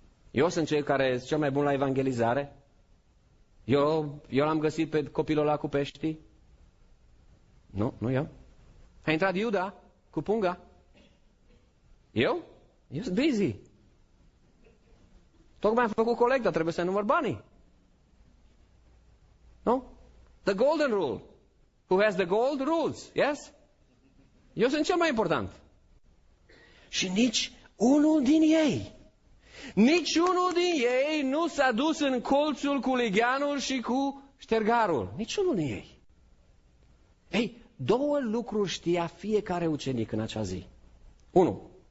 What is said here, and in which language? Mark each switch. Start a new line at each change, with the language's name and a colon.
Romanian: Eu sunt cel care sunt cel mai bun la evangelizare. Eu l-am găsit pe copilul ăla cu peștii. Nu eu. A intrat Iuda cu punga. Eu? Eu sunt busy. Tocmai am făcut colectă, trebuie să număr banii. Nu?
English: The golden rule. Who has the gold rules, yes?
Romanian: Eu sunt cel mai important. Și nici unul din ei, nici unul din ei nu s-a dus în colțul cu ligheanul și cu ștergarul. Nici unul din ei. Ei, două lucruri știa fiecare ucenic în acea zi. Unu.